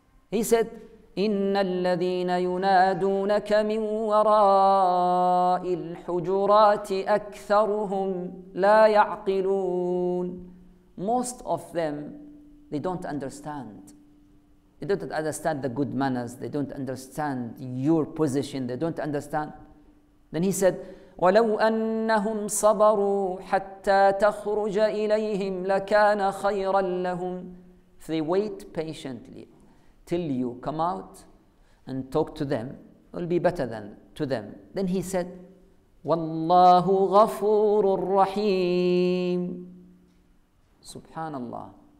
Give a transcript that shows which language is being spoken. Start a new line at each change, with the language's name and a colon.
English: He said,
Arabic: إِنَّ الَّذِينَ يُنَادُونَكَ مِنْ وَرَاءِ الْحُجُرَاتِ أَكْثَرُهُمْ لَا يَعْقِلُونَ.
English: Most of them, they don't understand. They don't understand the good manners. They don't understand your position. They don't understand. Then he said,
Arabic: وَلَوْ أَنَّهُمْ صَبَرُوا حَتَّى تَخْرُجَ إِلَيْهِمْ لَكَانَ خَيْرًا لَهُمْ.
English: If they wait patiently till you come out and talk to them, it will be better than to them. Then he said,
Arabic: وَاللَّهُ غَفُورُ الرَّحِيمُ. Subhanallah.